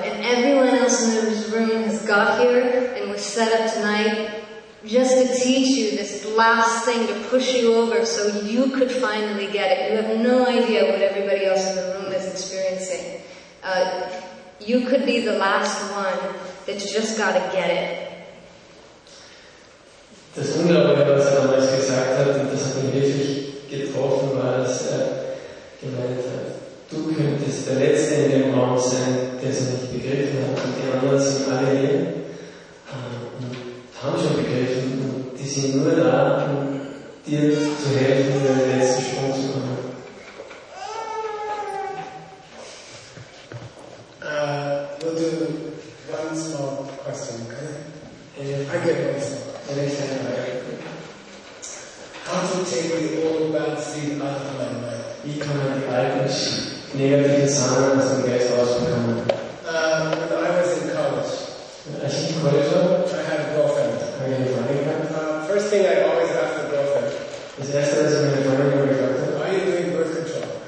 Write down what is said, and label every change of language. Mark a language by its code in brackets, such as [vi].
[en] And everyone else in this room has got here and was set up tonight just to teach you this last thing to push you over so you could finally get it. You have no idea what everybody else in the room is experiencing. You could be the last one that you just got to get it. [de] Das Unglaubliche, was er damals gesagt hat, und das hat ihn wirklich getroffen, war, dass er gemeint hat, du könntest der Letzte in dem Raum sein, der es nicht begriffen hat, und die anderen sind alle hier. Haben schon begriffen, die sind nur da, um dir zu helfen, in den letzten Sprung zu kommen. [en] We'll do one small question, okay? I get one small question. How to take the old bad seed out of my mind? [de] wie kann man die alten negativen Zahlen aus dem Geist rausbekommen? [en] When I was in college, [de] als ich in College war, [en] I had a girlfriend. [de] Habe ich eine Freundin gehabt? [en] First thing I always asked the girlfriend. [de] Das erste, was ich meine Freundin immer gesagt habe. [en] Why are you doing birth control?